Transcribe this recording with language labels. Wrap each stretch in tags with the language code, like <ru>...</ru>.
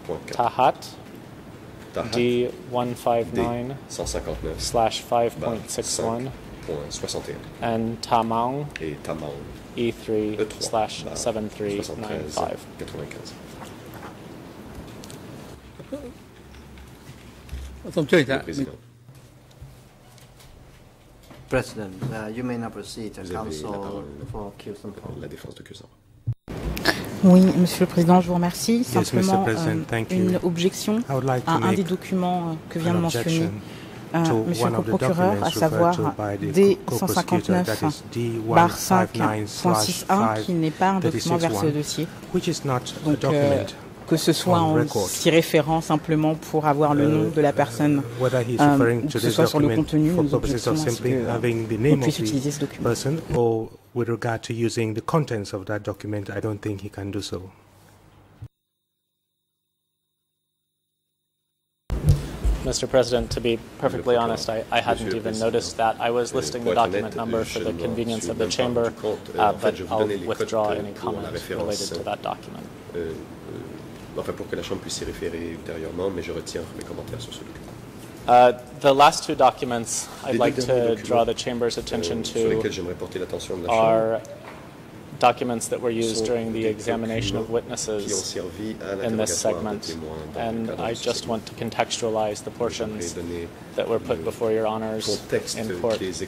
<en>Ta Hat, D159/5.61, and Ta Mang, E3/7395. President, you may now proceed to counsel for Q Sampong.</en> <fr>Oui, Monsieur le Président, je vous remercie. Simplement, une objection like à un des documents que vient de mentionner Monsieur le Procureur, à savoir D159/5.61, qui n'est pas un document versé au dossier. Donc, que ce soit en s'y référant simplement pour avoir le nom de la personne, que ce soit sur le contenu, nous objections à ce que puisse utiliser ce document.</fr> <en>With regard to using the contents of that document, I don't think he can do so. Mr. President, to be perfectly honest, I hadn't Monsieur even noticed that. I was listing the document number for the convenience of the chamber, but I'll withdraw any comment related to that document.</en> <fr>Enfin, pour que la chambre puisse y référer ultérieurement, mais je retire mes commentaires sur ce document.</fr> <en>The last two documents I'd like to draw the Chamber's attention to are documents that were used during the examination of witnesses in this segment, and I just want to contextualize the portions that were put before your honors in court.</en>